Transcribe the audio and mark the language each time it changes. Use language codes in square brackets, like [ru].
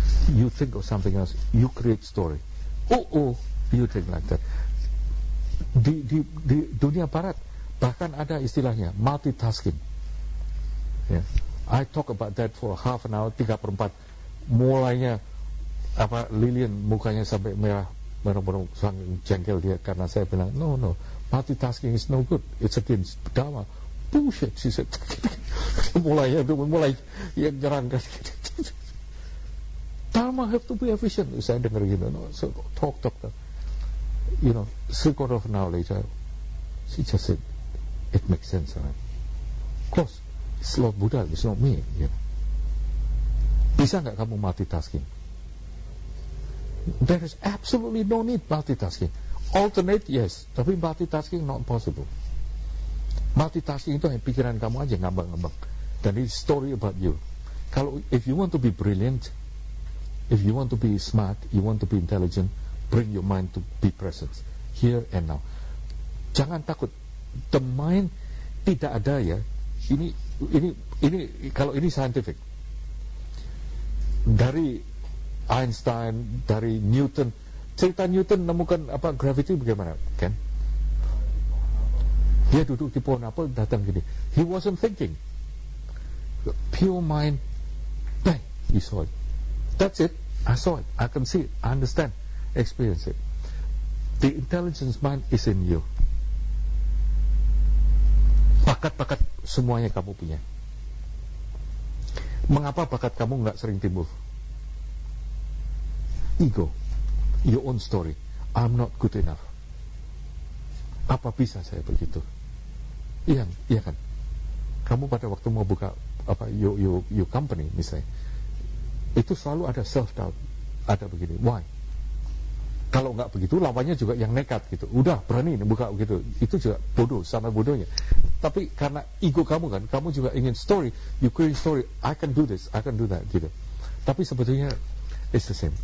[en] You think of something else, you create story. You think like that. [id] Di dunia barat bahkan ada istilahnya multitasking. [en] Yeah. I talk about that for half an hour, 3/4. [id] Mulainya apa, Lilian mukanya sampai merah, merah-merah jengkel dia karena saya bilang, [en] "No, no. Multitasking is no good. It's against Dharma." Bullshit, she said. [id] Mulainya itu mulai ya nyerang. [en] Dharma have to be efficient. [id] Saya dengar gitu. [en] No? So talk. You know, 3/4 hour later, she just said, "It makes sense, right?" Of course, it's Lord Buddha, it's not me. You know? [id] Bisa enggak kamu multitasking? [en] There is absolutely no need multitasking. Alternate, yes. [id] Tapi [en] multitasking not possible. [id] Multitasking itu hanya pikiran kamu aja ngambang-ngambang. Dan [en] it's story about you. [id] Kalau [en] if you want to be brilliant, if you want to be smart, you want to be intelligent, bring your mind to be present here and now. [id] Jangan takut. [en] The mind [id] tidak ada ya. Ini kalau ini scientific. Dari Einstein, dari Newton. Cerita Newton nemukan apa gravity bagaimana? Ken? Dia duduk di pohon apel datang gini. [en] He wasn't thinking. Pure mind. Bang, he saw it. That's it. I saw it, I can see it, I understand, experience it. The intelligence mind is in you. [id] Bakat-bakat semuanya kamu punya. Mengapa bakat kamu enggak sering timbul? [en] Ego, your own story. I'm not good enough. [id] Apa bisa saya begitu? Iya kan? Kamu pada waktu mau buka apa [en] your company [id] misalnya, itu selalu ada self-doubt. Ada begini, [en] why? [id] Kalau enggak begitu, lawannya juga yang nekat gitu. Udah, berani nih, buka gitu. Itu juga bodoh, sama bodohnya. Tapi karena ego kamu kan, kamu juga ingin story. [en] You create story, I can do this, I can do that [id] gitu. Tapi sebetulnya [en] it's the same.